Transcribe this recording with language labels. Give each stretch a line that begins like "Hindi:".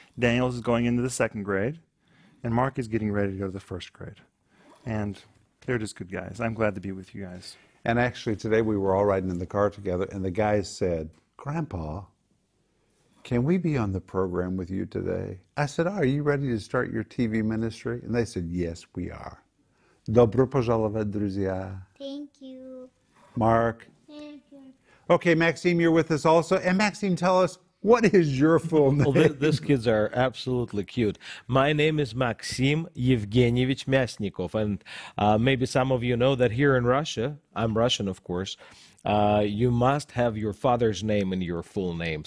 English: Daniel is going into the second grade and Mark is getting ready to go to the first grade. And they're just good guys. I'm glad to be with you guys. And actually today we were all riding in the car together and the guys said, Grandpa, can we be on the program with you today? I said, are you ready to start your TV ministry? And they said, yes, we are.
Russian: Добро пожаловать, друзья.
English: Thank you. Mark. Thank you. Okay, Maxime, you're with us also. And Maxime, tell us, what is your full name? Well, these kids are absolutely cute. My name is Maxim Evgenievich Myasnikov. And maybe some of you know that here in Russia, I'm Russian, of course, you must have your father's name in your full name.